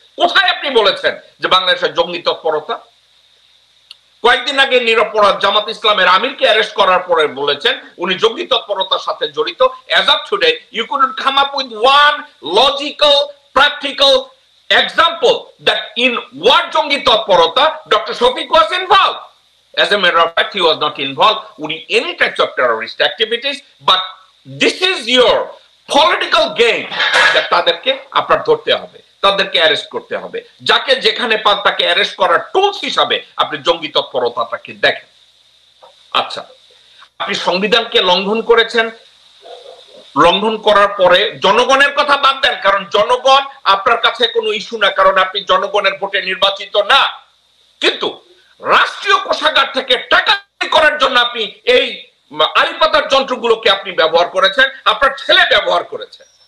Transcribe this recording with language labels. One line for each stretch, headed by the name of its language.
Bangla: কোথায় আপনি বলেছেন যে বাংলাদেশের জঙ্গি তৎপরতা? কয়েকদিন আগে নিরপরাধ জামাত ইসলামের আমিরকে অ্যারেস্ট করার পরে বলেছেন উনি জঙ্গি তৎপরতার সাথে জড়িত।
English: as of today you couldn't come up with one logical practical example that in war
Bangla: জঙ্গি তৎপরতা
English: Doctor Shafiq was involve. As a matter of fact, he was not involved in any types of terrorist activities. But this is your political game. That
Bangla: তাদেরকে আপনার ধরতে হবে, তাদেরকে arrest করতে হবে, যাকে যেখানে পান তাকে অ্যারেস্ট করার টুলস হিসাবে আপনি জঙ্গি তৎপরতাটাকে দেখেন। আচ্ছা, আপনি সংবিধানকে লঙ্ঘন করেছেন, লঙ্ঘন করার পরে জনগণের কথা বাদ দেন, কারণ জনগণ আপনার কাছে কোনো ইস্যু না, কারণ আপনি জনগণের ভোটে নির্বাচিত না, কিন্তু রাষ্ট্রীয় কোষাগার থেকে টাকা করার জন্য আপনি এই আলিপাতার যন্ত্রগুলোকে আপনি ব্যবহার করেছেন, আপনার ছেলে ব্যবহার করেছে।